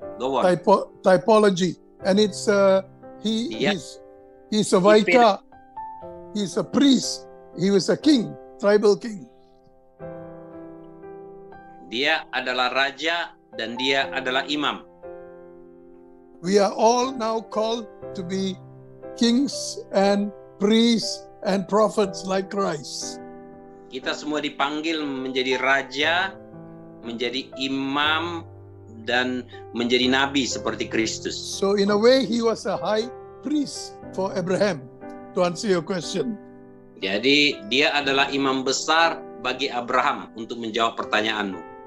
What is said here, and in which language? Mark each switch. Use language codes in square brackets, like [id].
[en] Go on. Typology. And it's he's a vicar. He's a priest. He was a king, tribal king. [id] Dia adalah raja dan dia adalah imam. [en] We are all now called to be kings and priests and prophets like Christ. [id] Kita semua dipanggil menjadi raja, menjadi imam, dan menjadi nabi seperti Kristus. [en] So in a way he was a high priest for Abraham, to answer your question. [id] Jadi dia adalah imam besar bagi Abraham untuk menjawab pertanyaanmu.